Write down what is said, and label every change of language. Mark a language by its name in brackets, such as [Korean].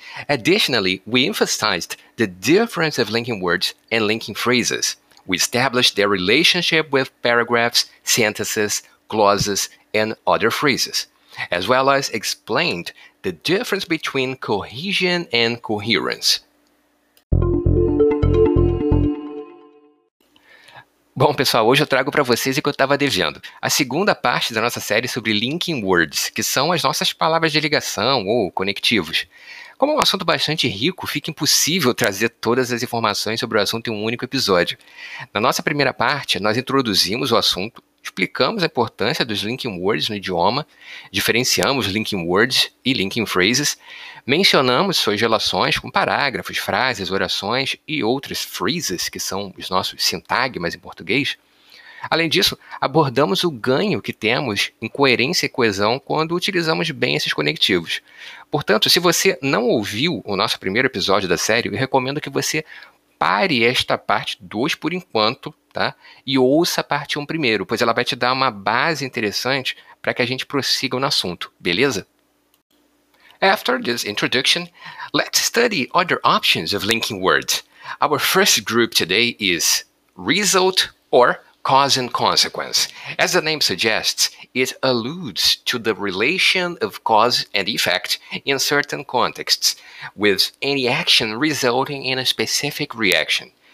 [English] Additionally, we emphasized the difference of linking words and linking phrases. We established their relationship with paragraphs, sentences, clauses, and other phrases, as well as explained the difference between cohesion and coherence. [Portuguese] Bom, pessoal, hoje eu trago para vocês o que eu estava devendo. A segunda parte da nossa série sobre linking words, que são as nossas palavras de ligação ou conectivos. Como é um assunto bastante rico, fica impossível trazer todas as informações sobre o assunto em um único episódio. Na nossa primeira parte, nós introduzimos o assunto, explicamos a importância dos linking words no idioma, diferenciamos linking words e linking phrases, mencionamos suas relações com parágrafos, frases, orações e outras phrases, que são os nossos sintagmas em português. Além disso, abordamos o ganho que temos em coerência e coesão quando utilizamos bem esses conectivos. Portanto, se você não ouviu o nosso primeiro episódio da série, eu recomendo que você pare esta parte 2 por enquanto, tá? E ouça a parte 1 primeiro, pois ela vai te dar uma base interessante para que a gente prossiga no assunto, beleza? [English] After this introduction, let's study other options of linking words. Our first group today is result or cause and consequence. As the name suggests, it alludes to the relation of cause and effect in certain contexts, with any action resulting in a specific reaction.